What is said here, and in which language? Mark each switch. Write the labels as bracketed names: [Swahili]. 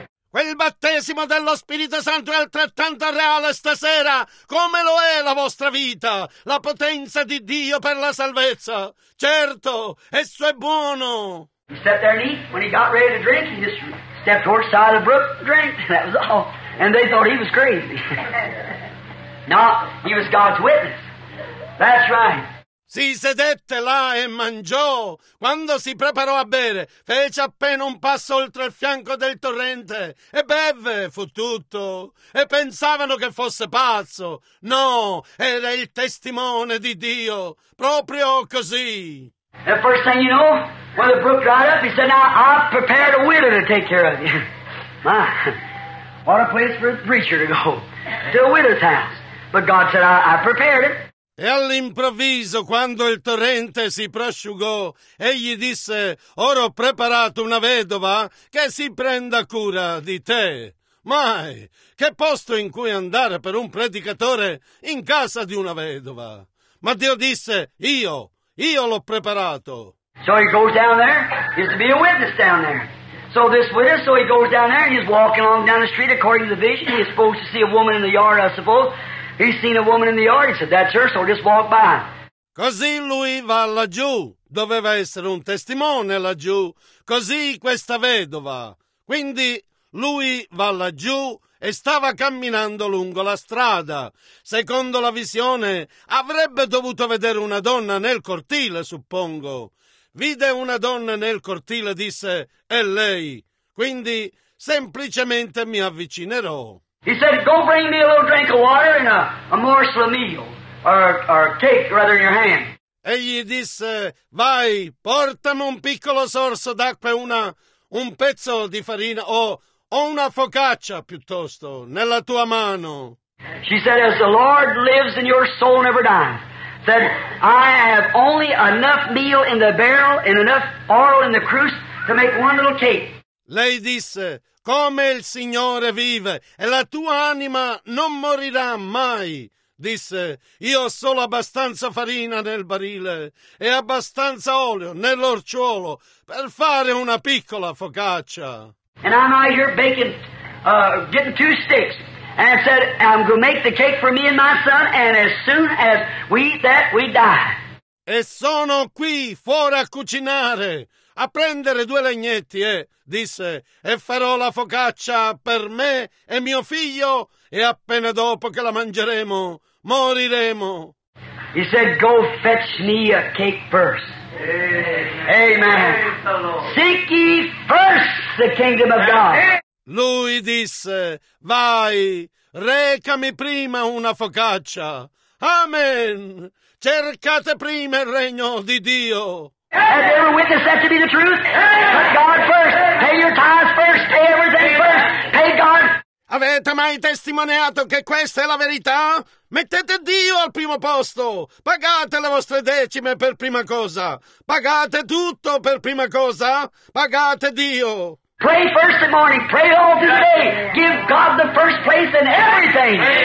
[Italian] Quel battesimo dello Spirito Santo è altrettanto reale stasera come lo è la vostra vita, la potenza di Dio per la salvezza. Certo, esso è buono. [English] He sat there and eat. When he got ready to drink, he just stepped toward the side of the brook and drank. That was all. And they thought he was crazy. No, he was God's witness. That's right. [Italian] Si sedette là e mangiò. Quando si preparò a bere, fece appena un passo oltre il fianco del torrente e beve, fu tutto. E pensavano che fosse pazzo. No, era il testimone di Dio. Proprio così. [English] The first thing you know, when the brook dried up, he said, now I've prepared a widow to take care of you. My, what a place for a preacher to go. To a widow's house. But God said, I prepared it. [Italian] E all'improvviso, quando il torrente si prosciugò, egli disse, ora ho preparato una vedova che si prenda cura di te. Mai, che posto in cui andare per un predicatore in casa di una vedova? Ma Dio disse, io l'ho preparato. [English] So he goes down there, he's to be a witness down there. So this widow, so he goes down there, he's walking along down the street according to the vision, he's supposed to see a woman in the yard, I suppose. He seen a woman in the yard, he said, that's her, so just walk by. [Italian] Così lui va laggiù, doveva essere un testimone laggiù, così questa vedova. Quindi lui va laggiù e stava camminando lungo la strada. Secondo la visione, avrebbe dovuto vedere una donna nel cortile, suppongo. Vide una donna nel cortile, disse, è lei, quindi semplicemente mi avvicinerò. [English] He said, go bring me a little drink of water and a morsel of meal, or cake, rather, in your hand. [Italian] Egli disse, vai, portami un piccolo sorso d'acqua e un pezzo di farina, o una focaccia, piuttosto, nella tua mano. [English] She said, as the Lord lives and your soul never dies, said, I have only enough meal in the barrel and enough oil in the cruse to make one little cake. [Italian] Lei disse, come il Signore vive e la tua anima non morirà mai, disse, io ho solo abbastanza farina nel barile e abbastanza olio nell'orciolo per fare una piccola focaccia. [English] And I'm out here baking, getting two sticks, and I said, I'm going to make the cake for me and my son, and as soon as we eat that, we die. [Italian] E sono qui fuori a cucinare, a prendere due legnetti, disse, e farò la focaccia per me e mio figlio, e appena dopo che la mangeremo, moriremo. [English] He said, go fetch me a cake first. Amen. Seek ye first the kingdom of God. [Italian] Lui disse, vai, recami prima una focaccia. Amen. Cercate prima il regno di Dio. [English] Have you ever witnessed that to be the truth? Put God first. Pay your tithes first. Pay everything first. Pay God. [Italian] Avete mai testimoniato che questa è la verità? Mettete Dio al primo posto. Pagate le vostre decime per prima cosa. Pagate tutto per prima cosa. Pagate Dio. [English] Pray first in the morning. Pray all through the day. Give God the first place in everything.